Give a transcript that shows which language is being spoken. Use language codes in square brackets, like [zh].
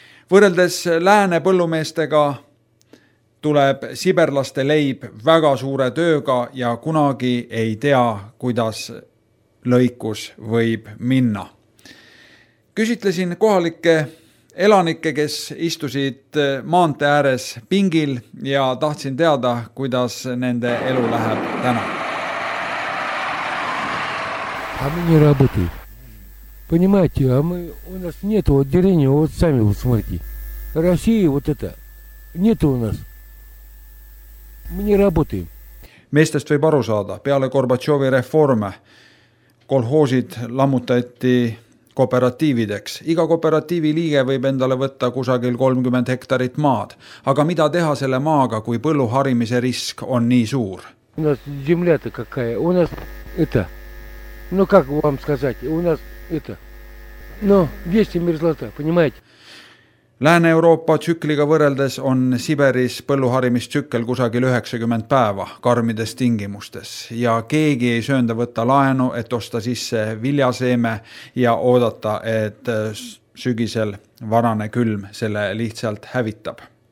[et] Võrreldes Lääne põllumeestega tuleb siberlaste leib väga suure tööga ja kunagi ei tea, kuidas lõikus võib minna. Küsitlesin kohalike elanike, kes istusid maante ääres pingil ja tahtsin teada, kuidas nende elu läheb täna. [ru] А мы не работаем. Понимаете, а мы у нас нету отделения, вот сами вот смотрите. России вот это нету у нас. Мы не работаем. [et] Meestest võib aru saada, peale Gorbatšovi reforme kolhoosid lammutati kooperatiivideks. Iga kooperatiivi liige võib endale võtta kusagil 30 hektarit maad. Aga mida teha selle maaga, kui põllu harimise risk on nii suur? [ru] У нас земля-то какая? У нас это. Ну как вам сказать? У нас это. Ну, весь мерзлота, понимаете? [et] Lääne-Euroopa tsükliga võrreldes on Siberis põlluharimistsükkel kusagil 90 päeva karmides tingimustes ja keegi ei söönda võtta laenu, et osta sisse viljaseeme ja oodata, et sügisel varane külm selle lihtsalt hävitab.